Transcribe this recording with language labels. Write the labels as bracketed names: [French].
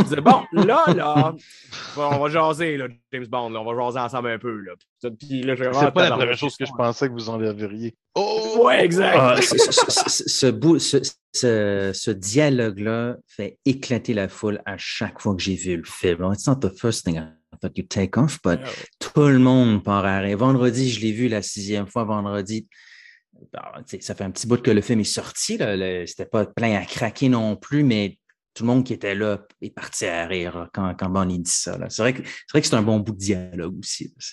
[French] Il disait, bon, là, on va jaser, là, James Bond, là, on va jaser ensemble un peu. Là. Puis, là, c'est pas la première chose que je pensais que vous enverriez. Oh! Ouais, exact! Ce dialogue-là fait éclater la foule à chaque fois que j'ai vu le film. [English] It's not the first thing I thought you'd take off, but no. [French] Tout le monde part à arrêt. Vendredi, je l'ai vu la sixième fois, vendredi. Bon, ça fait un petit bout que le film est sorti. Là. C'était pas plein à craquer non plus, mais tout le monde qui était là est parti à rire quand Bonnie dit ça. Là. C'est vrai que c'est un bon bout de dialogue aussi.